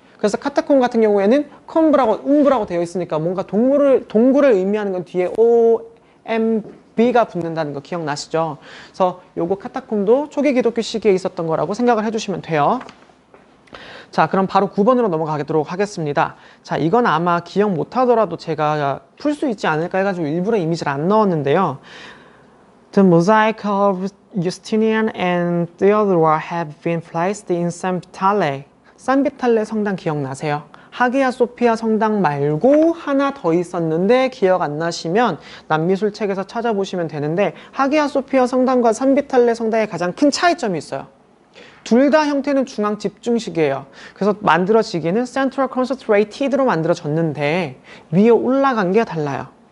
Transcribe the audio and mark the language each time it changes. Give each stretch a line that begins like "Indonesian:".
Korean: 그래서 카타콤 같은 경우에는 콤브라고 움브라고 되어 있으니까 뭔가 동굴을 의미하는 건 뒤에 OMB가 붙는다는 거 기억나시죠? 그래서 요거 카타콤도 초기 기독교 시기에 있었던 거라고 생각을 해주시면 돼요. 자, 그럼 바로 9번으로 넘어가도록 하겠습니다. 자, 이건 아마 기억 못하더라도 제가 풀 수 있지 않을까 해가지고 일부러 이미지를 안 넣었는데요.
English: The mosaic of Justinian and Theodora have been placed in San Vitale.
Korean: 산 비탈레 성당 기억나세요? 하기야 소피아 성당 말고 하나 더 있었는데 기억 안 나시면 남미술책에서 찾아보시면 되는데 하기야 소피아 성당과 산 비탈레 성당의 가장 큰 차이점이 있어요. 둘 다 형태는 중앙 집중식이에요. 그래서 만들어지기는 Central Concentrated로 만들어졌는데 위에 올라간 게 달라요.